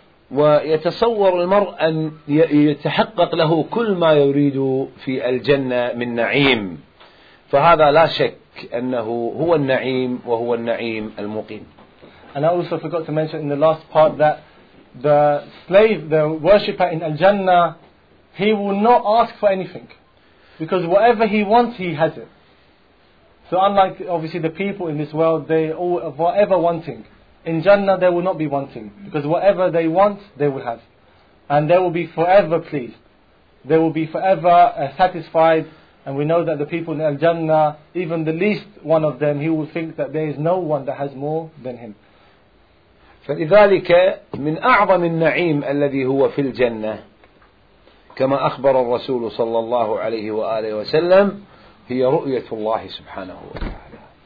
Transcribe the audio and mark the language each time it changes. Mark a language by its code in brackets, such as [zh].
[ar] ويتصور المرء أن يتحقق له كل ما يريد في الجنة من نعيم، فهذا لا شك أنه هو النعيم وهو النعيم المقيم. [en] And I also forgot to mention in the last part that the slave, the worshipper in Al-Jannah, he will not ask for anything, because whatever he wants, he has it. So unlike obviously the people in this world, they all whatever wanting. In Jannah, they will not be wanting, because whatever they want, they will have. And they will be forever pleased. They will be forever satisfied. And we know that the people in Al-Jannah, even the least one of them, he will think that there is no one that has more than him. [ar] فلذلك من أعظم النعيم الذي هو في الجنة كما أخبر الرسول صلى الله عليه وآله وسلم هي رؤية الله سبحانه وتعالى.